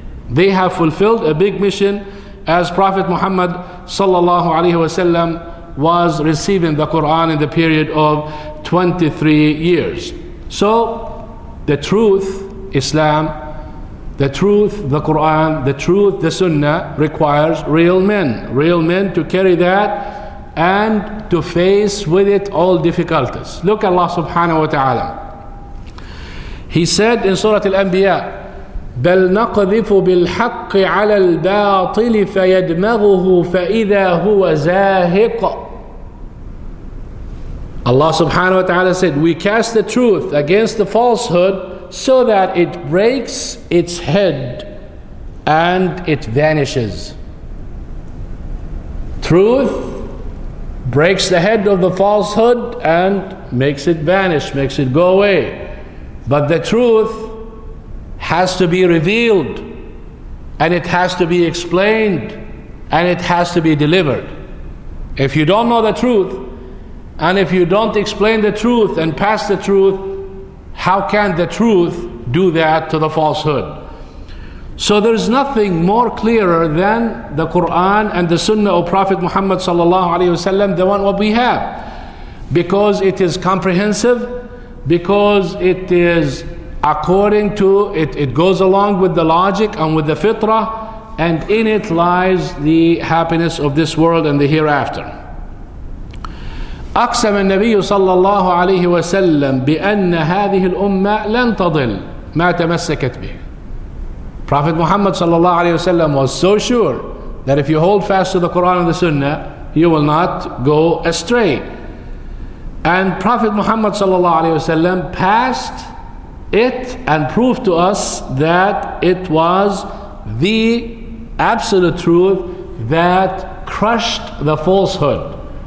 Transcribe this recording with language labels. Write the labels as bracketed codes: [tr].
[en] They have fulfilled a big mission as Prophet Muhammad sallallahu alaihi wasallam was receiving the Quran in the period of 23 years. So the truth, Islam, the truth, the Quran, the truth, the Sunnah requires real men to carry that and to face with it all difficulties. Look at Allah subhanahu wa ta'ala. He said in Surah Al-Anbiya, [ar] بَلْ نَقْذِفُ بِالْحَقِّ عَلَى الْبَاطِلِ فَيَدْمَغُهُ فَإِذَا هُوَ زَاهِقٌ. [en] Allah subhanahu wa ta'ala said, we cast the truth against the falsehood so that it breaks its head and it vanishes. Truth breaks the head of the falsehood and makes it vanish, makes it go away. But the truth has to be revealed, and it has to be explained, and it has to be delivered. If you don't know the truth, and if you don't explain the truth and pass the truth, how can the truth do that to the falsehood? So there's nothing more clearer than the Quran and the Sunnah of Prophet Muhammad sallallahu alaihi wasallam, the one what we have, because it is comprehensive, because it is according to it, it goes along with the logic and with the fitrah, and in it lies the happiness of this world and the hereafter. [ar] أقسم النبي صلى الله عليه وسلم بأن هذه الأمة لن تضل ما تمسكت به. [en] Prophet Muhammad صلى الله عليه وسلم was so sure that if you hold fast to the Quran and the Sunnah, you will not go astray. And Prophet Muhammad صلى الله عليه وسلم passed it and proved to us that it was the absolute truth that crushed the falsehood.